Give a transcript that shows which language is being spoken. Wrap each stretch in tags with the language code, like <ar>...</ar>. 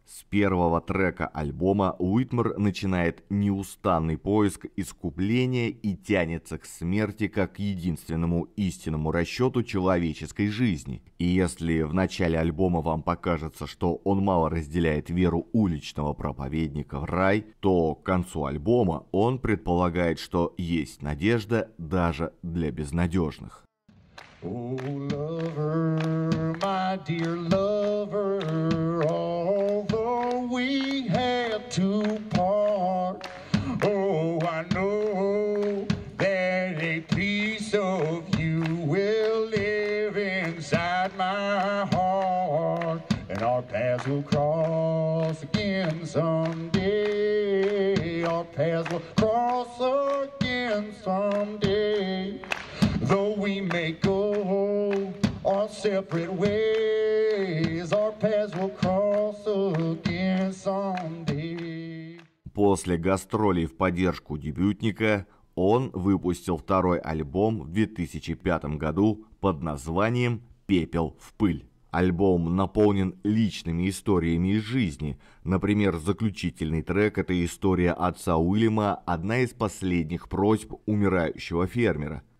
<ru>С первого трека альбома Уитмор начинает неустанный поиск искупления и тянется к смерти как к единственному истинному расчету человеческой жизни. И если в начале альбома вам покажется, что он мало разделяет веру уличного проповедника в рай, то к концу альбома он предполагает, что есть надежда даже для безнадежных.</ru> <en>Oh, lover, my dear lover, although we had to part, oh, I know that a piece of you will live inside my heart, and our paths will cross again someday. Paths will cross again someday, though we may go our separate ways, our paths will cross again someday.</en> <ru>После гастролей в поддержку дебютника он выпустил второй альбом в 2005 году под названием «Пепел в пыль». Альбом наполнен личными историями из жизни. Например, заключительный трек – это история отца Уильяма, одна из последних просьб умирающего фермера.</ru>